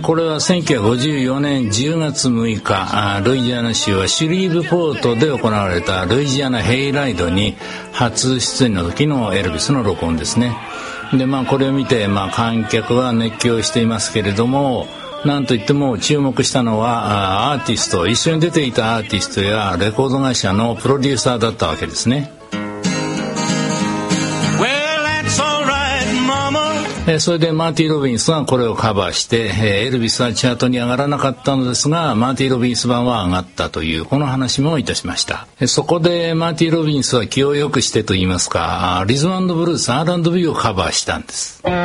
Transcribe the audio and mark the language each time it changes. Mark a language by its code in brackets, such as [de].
[ja] これは1954年10月6日、ルイジアナ州はシリーブポートで行われたルイジアナヘイライドに初出演の時のエルビスの録音ですね。で、まあこれを見て、まあ観客は熱狂していますけれども。なんといっても注目したのはアーティスト、一緒に出ていたアーティストやレコード会社のプロデューサーだったわけですね。 [en] Well, that's all right, mama. [ja] それでマーティー・ロビンスがこれをカバーして、エルビスはチャートに上がらなかったのですが、マーティー・ロビンス版は上がったという、この話もいたしました。そこでマーティー・ロビンスは気を良くしてといいますか、リズム&ブルース R&B をカバーしたんです。